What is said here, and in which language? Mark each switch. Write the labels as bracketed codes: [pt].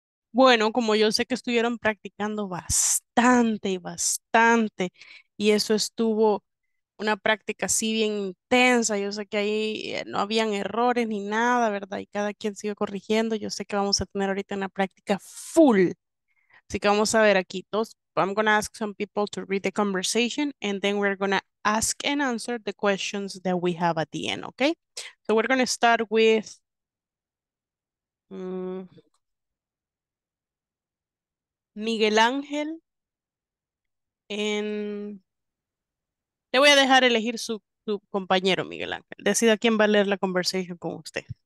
[es] Bueno, como yo sé que estuvieron practicando bastante y bastante, y eso estuvo una práctica así bien intensa, yo sé que ahí no habían errores ni nada, ¿verdad? Y cada quien sigue corrigiendo, yo sé que vamos a tener ahorita una práctica full. Así que vamos a ver aquí, todos. [en] I'm going to ask some people to read the conversation, and then we're going to ask and answer the questions that we have at the end, okay? So we're going to start with... [es] Miguel Ángel, le voy a dejar elegir su compañero, Miguel Ángel. Decida quién va a leer la conversación con usted.